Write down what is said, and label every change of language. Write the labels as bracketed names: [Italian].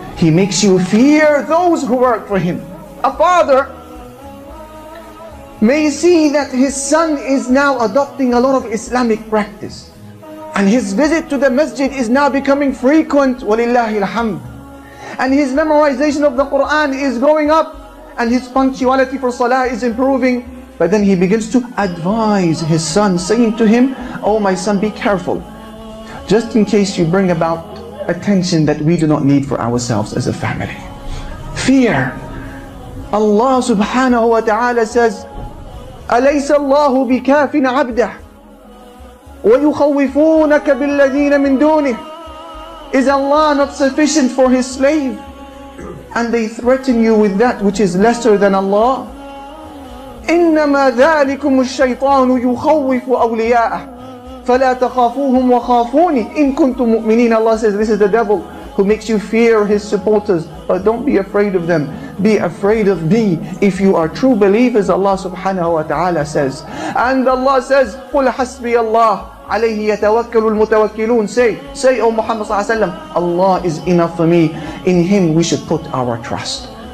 [English] He makes you fear those who work for him. A father may see that his son is now adopting a lot of Islamic practice, and his visit to the masjid is now becoming frequent, [Arabic] walillahi alhamd, [English] and his memorization of the Quran is going up, and his punctuality for salah is improving. But then he begins to advise his son, saying to him, oh my son, be careful, just in case you bring about attention that we do not need for ourselves as a family. Fear. Allah subhanahu wa ta'ala says, [Arabic] أليس الله بكاف عبده ويخوفونك بالذين من دونه. [English] Is Allah not sufficient for his slave, and they threaten you with that which is lesser than Allah? [Arabic] إنما ذلكم الشيطان يخوف أولياءه فلا تخافوهم وخافوني إن كنتم مؤمنين. [English] Allah says, this is the devil who makes you fear his supporters, but don't be afraid of them. Be afraid of me if you are true believers, Allah subhanahu wa ta'ala says. And Allah says, [Arabic] قُلْ حَسْبِيَ اللَّهِ عَلَيْهِ يَتَوَكَّلُ الْمُتَوَكِّلُونَ. [English] Say, O Muhammad [Arabic] sallallahu alayhi wa sallam, [English] Allah is enough for me. In him we should put our trust.